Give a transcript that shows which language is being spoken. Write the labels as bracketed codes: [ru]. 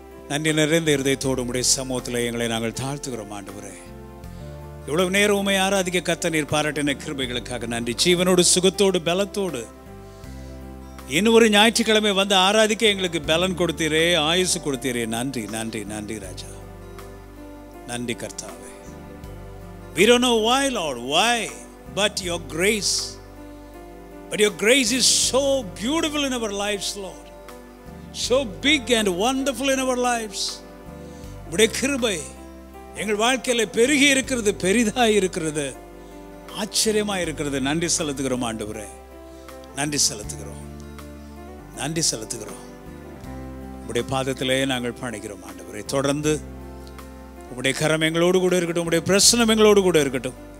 [ta] நன்றி நிறைந்த இருதயத்தோடு உம்முடைய சமூகத்தில் எங்களை நாங்கள் தாழ்த்துகிறோம் ஆண்டவரே. இவ்வளவு நேரம் உம்மை ஆராதிக்க கர்த்தர் நீர் பாராட்டின கிருபைகளுக்காக நன்றி. ஜீவனோடு சுகத்தோடு பலத்தோடு இன்னும் ஒரு ஞாயிற்றுக்கிழமை வந்து ஆராதிக்க எங்களுக்கு பலன் கொடுத்தீரே, ஆயுசு கொடுத்தீரே. நன்றி நன்றி நன்றி ராஜா, நன்றி கர்த்தாவே. [en] We don't know why, Lord, why, but your grace, but your grace is so beautiful in our lives, Lord, so big and wonderful in our lives. [ta] உம்முடைய கிருபை எங்கள் வாழ்க்கையில் பெருகி இருக்கிறது, பெரிதாக இருக்கிறது, ஆச்சரியமாக இருக்கிறது. நன்றி செலுத்துகிறோம் ஆண்டவரே, நன்றி செலுத்துகிறோம், நன்றி செலுத்துகிறோம். உம்முடைய பாதத்திலே நாங்கள் பணிகிறோம் ஆண்டவரே. தொடர்ந்து உம்முடைய கரம் எங்களோடு கூட இருக்கட்டும், உம்முடைய பிரசன்னம் எங்களோடு கூட இருக்கட்டும்.